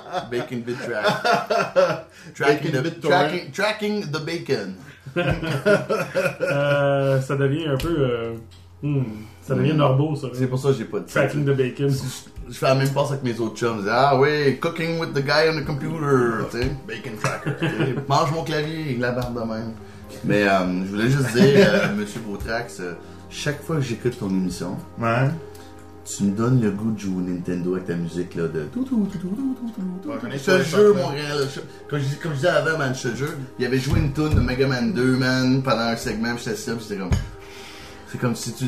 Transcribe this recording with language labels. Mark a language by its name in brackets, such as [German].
[English] Bacon bit track. Tracking the bacon. [French] Ça devient un peu. Ça devient norbeau, ça. C'est pour ça que j'ai pas de. [English] Tracking the bacon. [French] Je fais la même passe avec mes autres chums. Ah oui, [English] cooking with the guy on the computer. [French] T'sais. [English] Bacon tracker. [French] Mange mon clavier, la barre de même. Mais je voulais juste dire, monsieur Botrax, chaque fois que j'écoute ton émission. Ouais. Tu me donnes le goût de jouer au Nintendo avec ta musique là de tout tout tout tout tout tout tout. Ce jeu, Montréal. Comme je disais avant, man, ce jeu, il avait joué une toune de Mega Man 2, man, pendant un segment, j'étais ça, j'étais comme. C'est comme si tu.